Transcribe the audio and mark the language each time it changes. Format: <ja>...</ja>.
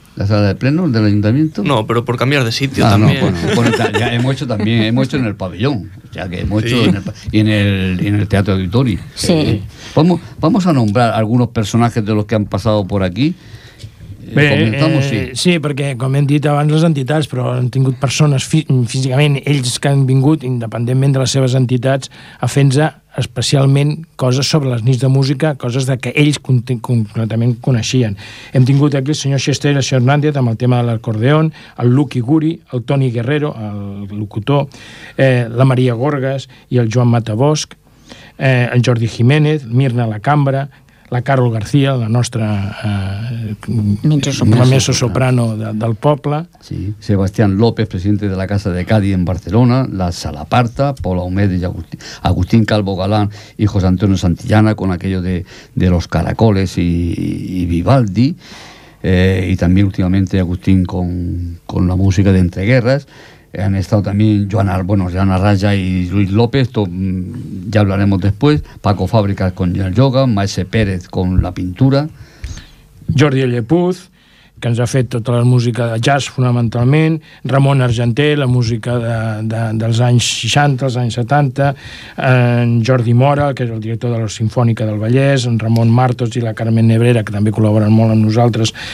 <es>¿La sala de pleno del ayuntamiento? No, pero por cambiar de sitio también. Ya hemos hecho también, hemos hecho en el pabellón, ya que hemos hecho en el Teatro Auditori. Sí. Vamos a nombrar algunos personajes de los que han pasado por aquí.</es> <ca>Bé, sí, perquè com hem dit abans les entitats, però han tingut persones físicament, ells que han vingut independentment de les seves entitats a fer-nos especialment coses sobre les nits de música, coses de que ells completament coneixien. Hem tingut aquí el senyor Xester i el senyor Hernández amb el tema de l'acordeón, el Luqui Guri, el Toni Guerrero, el locutor, la Maria Gorgas i el Joan Matabosc, el Jordi Jiménez, Mirna La Cambra, la Carol García, la nostra mezzo-soprano del poble.</ca> <es>Sí, Sebastián López, presidente de la Casa de Cádiz en Barcelona, la Salaparta, Pol Aumed y Agustín Calvo Galán y José Antonio Santillana con aquello de los caracoles y Vivaldi, y también últimamente Agustín con la música de Entreguerras. Han estado también Joana Raya y Luis López, esto ya hablaremos después, Paco Fábricas con el yoga, Maese Pérez con la pintura,</es> <ca>Jordi Llepuz, que ens ha fet tota la música de jazz fonamentalment, Ramon Argenter, la música dels anys 60, els anys 70, en Jordi Mora, que és el director de la Sinfònica del Vallès, en Ramon Martos i la Carmen Nebrera, que també col·laboren molt amb nosaltres,</ca>